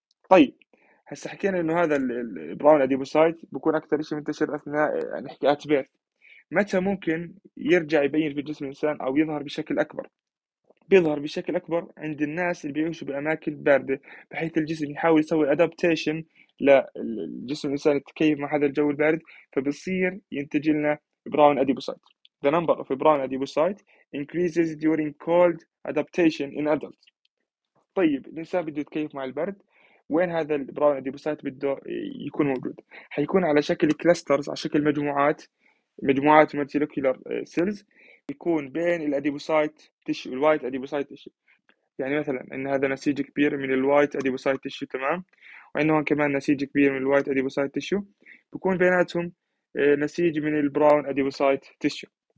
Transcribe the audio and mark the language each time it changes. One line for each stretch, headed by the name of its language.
Arabic: طيب هسا حكينا انه هذا البراون اديبوسايت بكون اكثر شيء منتشر اثناء نحكي ات بيرث، متى ممكن يرجع يبين في جسم الانسان او يظهر بشكل اكبر؟ بيظهر بشكل اكبر عند الناس اللي بيعيشوا باماكن باردة، بحيث الجسم يحاول يسوي ادابتيشن لا الجسم الإنسان يتكيف مع هذا الجو البارد، فبصير ينتج لنا براون أديبوسايت.
English: The number of brown adipocyte increases during cold adaptation in adults.
Arabic: طيب الإنسان بده يتكيف مع البرد، وين هذا البراون أديبوسايت بده يكون موجود؟ حيكون على شكل كلاسترز، على شكل مجموعات مالتيلوكيولر سيلز، يكون بين الأديبوسايت تشي والوايت أديبوسايت تشي. يعني مثلا ان هذا نسيج كبير من الوايت اديبوسايت تيشو، تمام، وانه هون كمان نسيج كبير من الوايت اديبوسايت تيشو، بكون بيناتهم نسيج من البراون اديبوسايت تيشو.